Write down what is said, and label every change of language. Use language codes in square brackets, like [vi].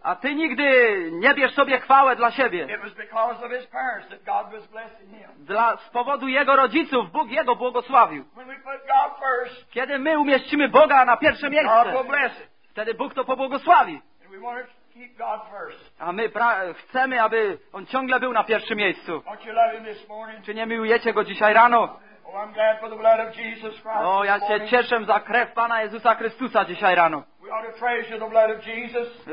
[pl] A ty nigdy nie bierz sobie chwałę dla siebie. [en] It was because of his parents that God was blessing him. [pl] Z powodu jego rodziców Bóg jego błogosławił. [en] When we put God first, [pl] kiedy my umieścimy Boga na pierwsze miejsce, [en] God will bless it. [pl] Wtedy Bóg to pobłogosławi. [en] And we want to keep God first. [pl] A my chcemy, aby On ciągle był na pierwszym miejscu. [en] Don't you love him this morning? [pl] Czy nie miłujecie Go dzisiaj rano? [en] Oh, I'm glad for the blood of Jesus Christ. [pl] O, ja się cieszę za krew Pana Jezusa Chrystusa dzisiaj rano. [en] We ought to treasure the blood of Jesus.